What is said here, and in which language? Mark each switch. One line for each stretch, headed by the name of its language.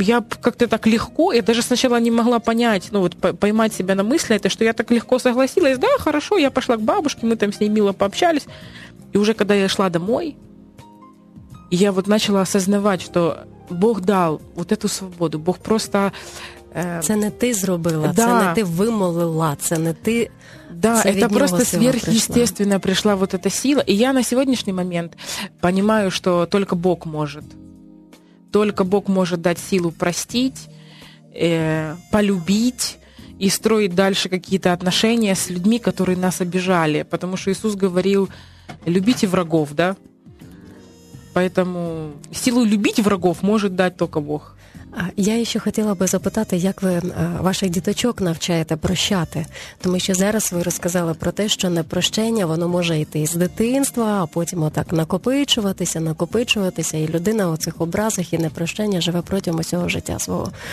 Russian: Я как-то так легко, я даже сначала не могла понять, ну вот поймать себя на мысли, это, что я так легко согласилась. Да, хорошо, я пошла к бабушке, мы там с ней мило пообщались. И уже когда я шла домой, я вот начала осознавать, что Бог дал вот эту свободу. Бог просто...
Ukrainian: Це не ти зробила, да, це не ти вимолила, це не ти...
Russian: Да, это просто сверхъестественно пришла вот эта сила. И я на сегодняшний момент понимаю, что только Бог может. Только Бог может дать силу простить, полюбить и строить дальше какие-то отношения с людьми, которые нас обижали. Потому что Иисус говорил: «Любите врагов», да? Поэтому силу любить врагов может дать только Бог.
Ukrainian: Я ще хотіла би запитати, як ви ваших діточок навчаєте прощати? Тому що зараз ви розказали про те, що непрощення, воно може йти з дитинства, а потім отак накопичуватися, і людина у цих образах і непрощення живе протягом усього життя свого.